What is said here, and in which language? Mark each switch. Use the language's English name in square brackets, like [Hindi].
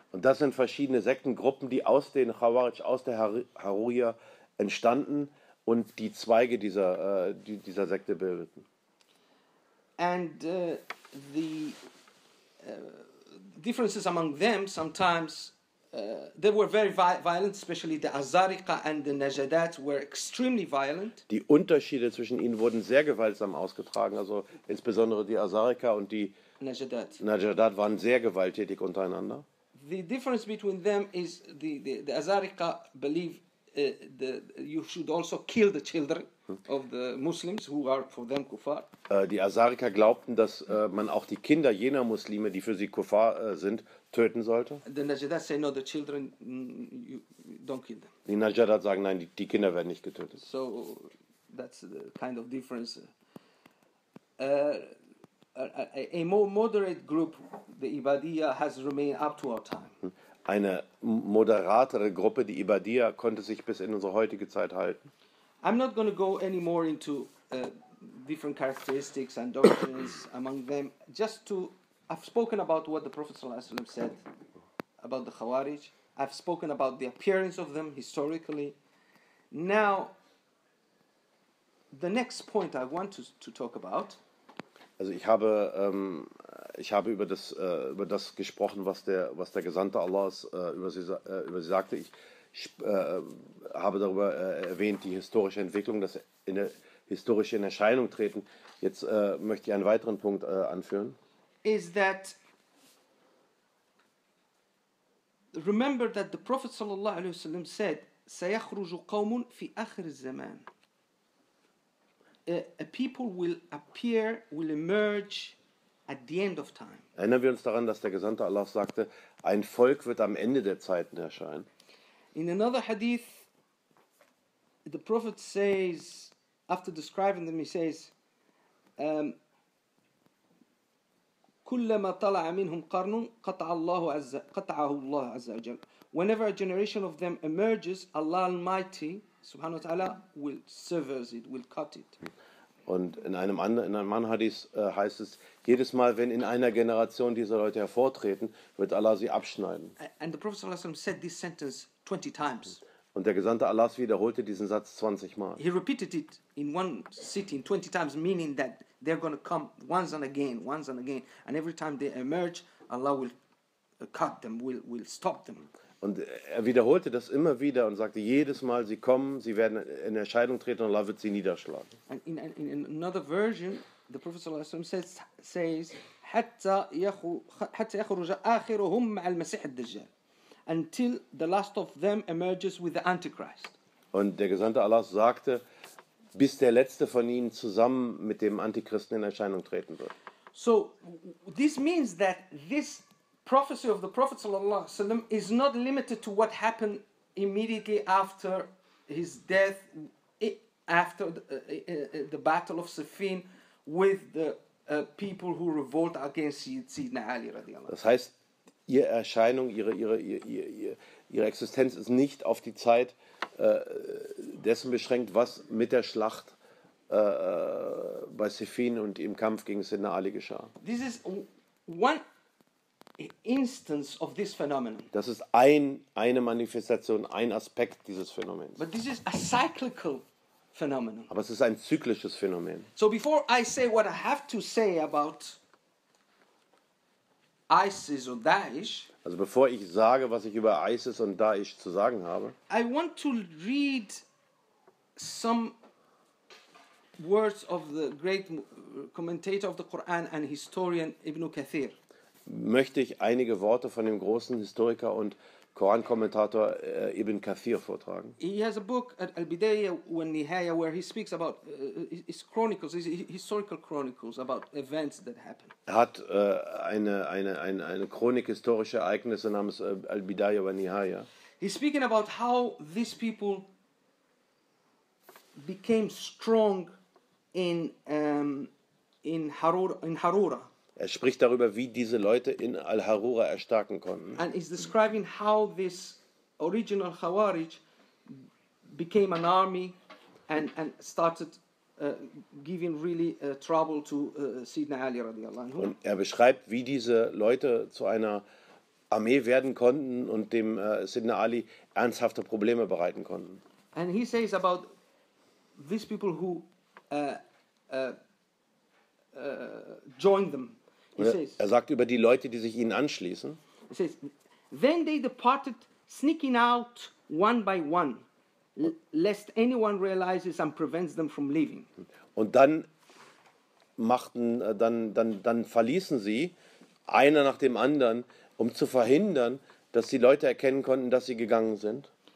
[German] Und das sind verschiedene Sektengruppen, die aus den Khawarij, aus der Haruriya entstanden. Und die Zweige dieser Sekte bildeten. [English] And the differences among them sometimes they were very violent, especially the Azariqa and the Najadat were extremely violent. [German] Die Unterschiede zwischen ihnen wurden sehr gewaltsam ausgetragen, also insbesondere die Azariqa und die Najadat waren sehr gewalttätig untereinander. [English] The difference between them is the Azariqa believe you should also kill the children of the Muslims who are for them kuffar. [German] Die Azariqa glaubten, dass man auch die Kinder jener Muslime, die für sie kuffar sind, töten sollte. [English] The Najadat say no, the children you don't kill them. [German] Die Najadat sagen nein, die Kinder werden nicht getötet. [English] So that's the kind of difference. A more moderate group, the Ibadiyya, has remained up to our time. [German] Eine moderatere Gruppe, die Ibadiyya, konnte sich bis in unsere heutige Zeit halten. [English] I'm not going to go any more into different characteristics and doctrines among them. Just to, I've spoken about what the Prophet sallallahu alaihi wasallam said about the Khawarij. I've spoken about the appearance of them historically. Now, the next point I want to talk about. [German] Also ich habe über das gesprochen, was der Gesandte Allahs über sie sagte. Ich habe darüber erwähnt, die historische Entwicklung, dass in der historischen Erscheinung treten. Jetzt möchte ich einen weiteren Punkt anführen. [English] Is that remember that the Prophet sallallahu alaihi wasallam said, [Arabic] "Sayakhruju qawmun fi akhir zaman." [English] A people will appear, will emerge at the end of time. [German] Erinnern wir uns daran, dass der Gesandte Allah sagte, ein Volk wird am Ende der Zeiten erscheinen. [English] In another hadith, the Prophet says, after describing them, he says, [Arabic] كُلَّمَا طَلَعَ مِنْهُمْ قَرْنٌ قَطَعَهُ اللَّهُ عَزَّ وَجَلْ. [English] Whenever a generation of them emerges, Allah Almighty, Subhanahu wa ta'ala, will sever it, will cut it. [German] Und in einem Hadith heißt es, jedes Mal, wenn in einer Generation diese Leute hervortreten, wird Allah sie abschneiden. [English] And the Prophet sallallahu alaihi wasallam said this sentence 20 times. [German] Und der Gesandte Allahs wiederholte diesen Satz 20 Mal. [English] He repeated it in one sitting 20 times, meaning that they're going to come once and again, and every time they emerge, Allah will cut them, will stop them. [German] Und er wiederholte das immer wieder und sagte, jedes Mal, sie kommen, sie werden in Erscheinung treten und Allah wird sie niederschlagen. [English] And in another version, the Prophet sallallahu alaihi wasallam says, [Arabic] حتى يخرج آخرهم مع المسيح الدجال. [English] Until the last of them emerges with the Antichrist. [German] Und der Gesandte Allah sagte, bis der letzte von ihnen zusammen mit dem Antichristen in Erscheinung treten wird. [English] So this means that this prophecy of the Prophet sallallahu alaihi wasallam is not limited to what happened immediately after his death, after the battle of Siffin with the people who revolt against Sayyidina Ali radiallahu anhu. [German] Das heißt, ihre Erscheinung, ihre Existenz ist nicht auf die Zeit dessen beschränkt, was mit der Schlacht bei Siffin und im Kampf gegen Sayyidina Ali geschah. [English] This is one instance of this phenomenon. [German] Das ist eine Manifestation, ein Aspekt dieses Phänomens. [English] But this is a cyclical phenomenon. [German] Aber es ist ein zyklisches Phänomen. [English] So before I say what I have to say about ISIS und Daesh. [German] Also bevor ich sage, was ich über ISIS und Daesh zu sagen habe, [English] I want to read some words of the great commentator of the Quran and historian Ibn Kathir. [German] Möchte ich einige Worte von dem großen Historiker und Korankommentator Ibn Kathir vortragen. [English] He has a book at Al-Bidayah wa Nihaya where he speaks about his chronicles, his historical chronicles about events that happened. [German] Er hat eine Chronik historischer Ereignisse namens Al-Bidayah wa Nihaya. [English] He's speaking about how these people became strong in Harura. [German] Er spricht darüber, wie diese Leute in Al-Harura erstarken konnten. [English] And he's describing how this original Khawarij became an army and started giving really trouble to Sayyidina Ali radiallahu anhu. [German] Und er beschreibt, wie diese Leute zu einer Armee werden konnten und dem Sayyidina Ali ernsthafte Probleme bereiten konnten. [English] And he says about these people who joined them. [German] Er sagt über die Leute, die sich ihnen anschließen. [English] He says, then they departed, sneaking out one by one, lest anyone realizes and prevents them from leaving. [German] Und dann machten, dann verließen sie einer nach dem anderen, um zu verhindern, dass die Leute erkennen konnten, dass sie gegangen sind.